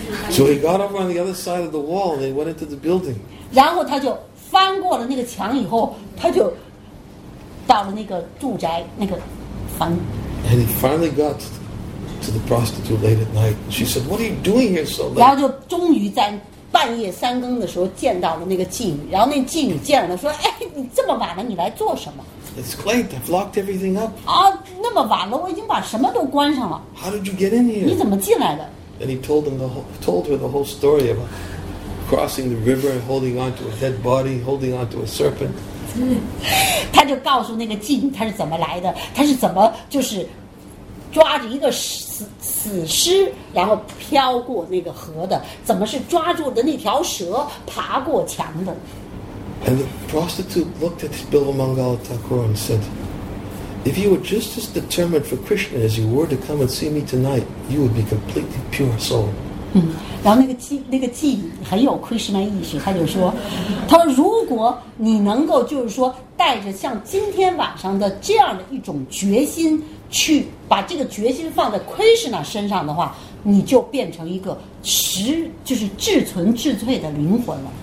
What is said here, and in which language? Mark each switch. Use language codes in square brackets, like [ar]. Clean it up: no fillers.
[en] So he got over on the other side of the wall and he went into the building. [zh] 然后他就翻过了那个墙以后，他就到了那个住宅那个房。 [en] And he finally got to the prostitute late at night. She said, "What are you doing here so late?" [zh] 然后就终于在半夜三更的时候见到了那个妓女。然后那妓女见了说，哎，你这么晚了，你来做什么？ [en] It's late. I've locked everything up. [zh] 啊，那么晚了，我已经把什么都关上了。 [en] How did you get in here? [zh] 你怎么进来的？ [en] And he told her the whole story about crossing the river and holding onto a dead body, holding onto a serpent. [zh] 他就告诉那个妓女他是怎么来的，他是怎么就是抓着一个死尸然后飘过那个河的，怎么是抓住的那条蛇爬过墙的。 [en] And the prostitute looked at Bilvamangala Thakur and said, "If you were just as determined for Krishna as you were to come and see me tonight, you would be completely pure soul." [zh] 然后那个妓女很有 Krishna 意识，他就说，他说如果你能够就是说带着像今天晚上的这样的一种决心，去把这个决心放在 Krishna 身上的话，你就变成一个就是至纯至粹的灵魂了。